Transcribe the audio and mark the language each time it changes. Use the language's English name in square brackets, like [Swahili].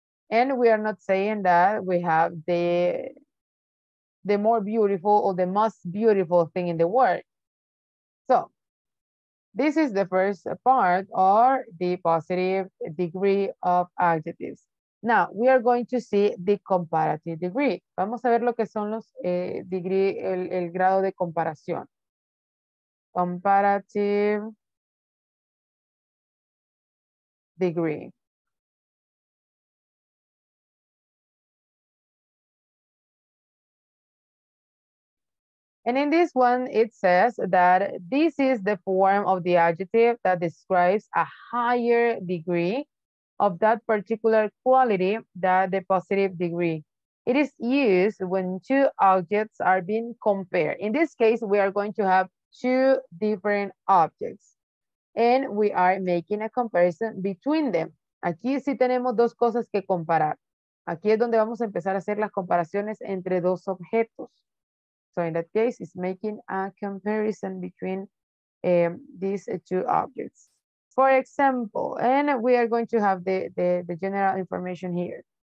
[English] And we are not saying that we have the more beautiful or the most beautiful thing in the world. So this is the first part, or the positive degree of adjectives. Now we are going to see the comparative degree. [Spanish] Vamos a ver lo que son los el grado de comparación. [English] Comparative degree. And in this one, it says that this is the form of the adjective that describes a higher degree of that particular quality than the positive degree. It is used when two objects are being compared. In this case, we are going to have two different objects and we are making a comparison between them. [Spanish] Aquí sí tenemos dos cosas que comparar. Aquí es donde vamos a empezar a hacer las comparaciones entre dos objetos. [English] So in that case, it's making a comparison between these two objects. For example, and we are going to have the general information here.